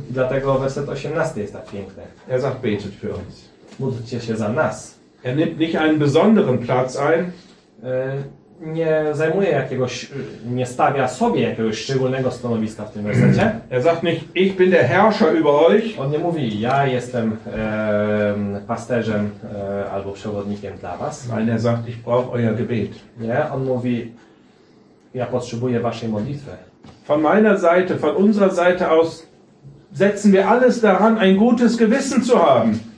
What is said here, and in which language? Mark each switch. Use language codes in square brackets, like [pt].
[pl] I dlatego werset 18 jest tak piękny. [de] Er sagt, betet für uns. [pl] Módlcie się za nas. [de] Er nimmt nicht einen besonderen Platz ein. [pl] Nie zajmuje jakiegoś, nie stawia sobie jakiegoś szczególnego stanowiska w tym wersecie. [de] Er sagt nicht, ich bin der Herrscher über euch. [pl] On nie mówi, ja jestem pasterzem albo przewodnikiem dla was. [de] Nein, er sagt, ich brauche euer Gebet. [pl] Nie, on mówi, ja potrzebuję waszej modlitwy. [de] Von meiner Seite, von unserer Seite aus setzen wir alles daran, ein gutes Gewissen zu haben.